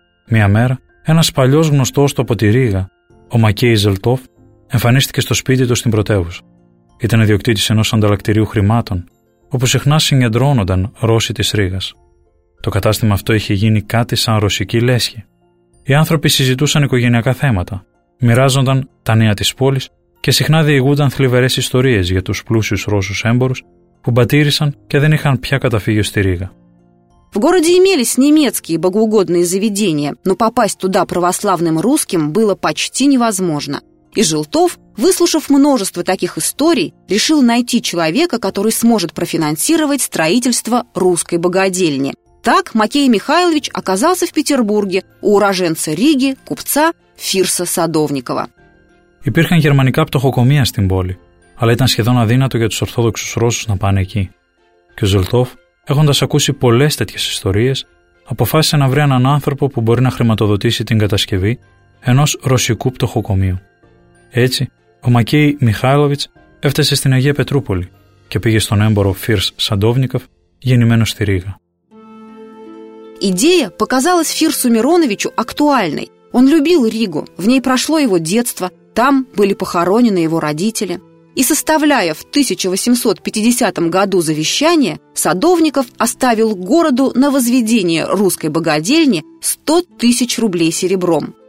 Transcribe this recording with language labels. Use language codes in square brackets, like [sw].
[el] Мия мэра, ένας παλιός γνωστός του από τη Ρίγα, ο Макей Ζελτόφ, εμφανίστηκε στο σπίτι του στην πρωτεύουσα. Ήταν ιδιοκτήτης ενός ανταλλακτηρίου χρημάτων, όπου συχνά συγκεντρώνονταν Ρώσοι της Ρίγας. Το κατάστημα αυτό είχε γίνει κάτι σαν ρωσική λέσχη. Οι άνθρωποι συζητούσαν οικογενειακά θέματα, μοιράζονταν τα νέα της πόλης και συχνά διηγούνταν θλιβερές ιστορίες για τους πλούσιους Ρώσους έμπορους που μπατήρισαν και δεν είχαν πια καταφύγιο στη Ρίγα. [ru] В городе имелись немецкие богоугодные заведения, но попасть туда православным русским было почти невозможно. И Желтов, выслушав множество таких историй, решил найти человека, который сможет профинансировать строительство русской богадельни. Так Макей Михайлович оказался в Петербурге у уроженца Риги, купца Фирса Садовникова. [el] Υπήρχαν γερμανικά πτωχοκομεία στην πόλη, αλλά ήταν σχεδόν αδύνατο για τους ορθόδοξους Ρώσους να πάνε εκεί. Και ο Ζελτόφ, έχοντας ακούσει πολλές τέτοιες ιστορίες, αποφάσισε να βρει έναν άνθρωπο που μπορεί να χρηματοδοτήσει την κατασκευή ενός ρωσικού πτωχοκομείου. Έτσι, ο Μακέι Μιχάιλοβιτς έφτασε στην Αγία Πετρούπολη και πήγε στον έμπορο Фирс Садовникова, γεννημένο στη Ρίγα. [ru] Идея показалась Фирсу Мироновичу актуальной. Он любил Ригу, в ней прошло его детство, там были похоронены его родители. И составляя в 1850 году завещание, Садовников оставил городу на возведение русской богадельни 100 тысяч рублей серебром.